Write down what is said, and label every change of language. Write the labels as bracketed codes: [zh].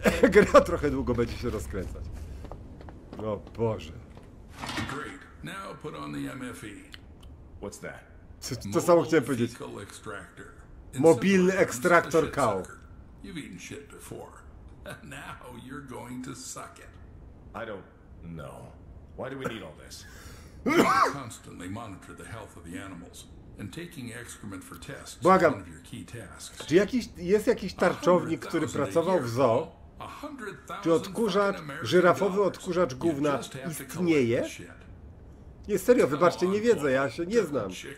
[pl] Gra trochę długo będzie się rozkręcać. O Boże. [en] Great. Now put on the MFE. What's that? [pl] To samo chciałem powiedzieć. Mobilny ekstraktor kał. [en] You've eaten shit before. Now you're going to suck it. I don't know. Why do we need all this? You constantly monitor the health of the animals. And taking excrement for tests is one of your key tasks. [pl] Czy jest jakiś tarczownik, który pracował w zoo? Czy odkurzacz, żyrafowy odkurzacz gówna istnieje? Nie, serio, wybaczcie, nie wiedzę, ja się nie znam.